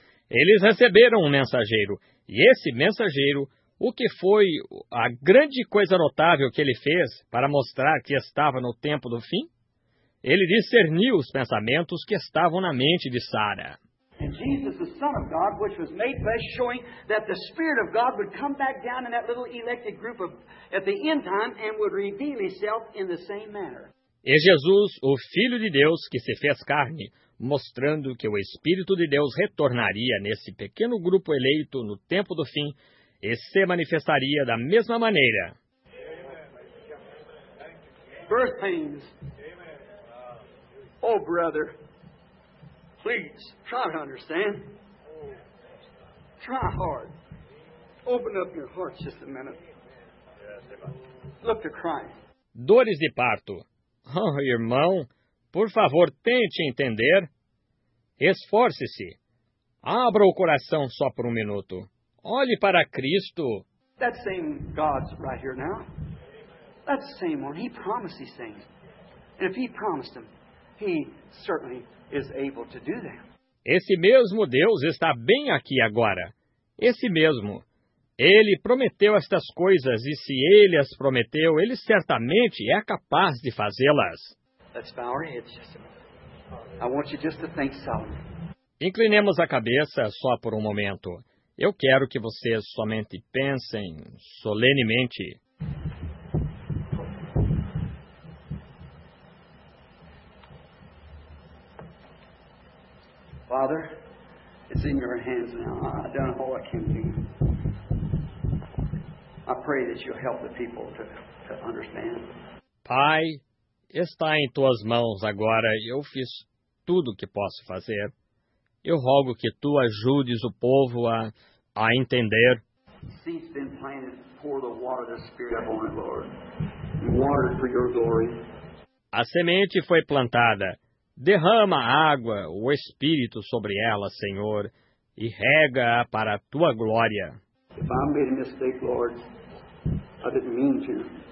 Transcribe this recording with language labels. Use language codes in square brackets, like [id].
[pt] Eles receberam um mensageiro, e esse mensageiro, o que foi a grande coisa notável que ele fez para mostrar que estava no tempo do fim? Ele discerniu os pensamentos que estavam na mente de Sara. E Jesus, o [en] Son of God, which was made flesh, showing that the Spirit of God would come back down in that little elected group of, at the end time and would reveal himself in the same manner. [pt] E Jesus, o Filho de Deus, que se fez carne, mostrando que o Espírito de Deus retornaria nesse pequeno grupo eleito no tempo do fim e se manifestaria da mesma maneira. [en] Birth pains. Oh, brother. Please, try to understand. Try hard. Open up your heart just a minute. Look to Christ. [pt] Dores de parto. Oh, irmão, por favor, tente entender. Esforce-se. Abra o coração só por um minuto. Olhe para Cristo. [en] That same God's right here now. That same one. He promised these things. And if he promised them, he certainly is able to do them. [pt] Esse mesmo Deus está bem aqui agora. Esse mesmo. Ele prometeu estas coisas, e se ele as prometeu, ele certamente é capaz de fazê-las. [en] Let's bow our heads just a moment. I want you just to think solemnly. [pt] Inclinemos a cabeça só por um momento. Eu quero que vocês somente pensem solenemente. [en] Father, it's in your hands now. I've done all I can do. I pray that you'll help the people to understand. [pt] Pai, está em tuas mãos agora. Eu fiz tudo o que posso fazer. Eu rogo que tu ajudes o povo a entender. [en] Seeds been planted, pour the water of the Spirit upon it, Lord. Water for your glory. [pt] A semente foi plantada. Derrama a água, o Espírito sobre ela, Senhor, e rega-a para a tua glória. [en] If I made a mistake, Lord, I didn't mean to.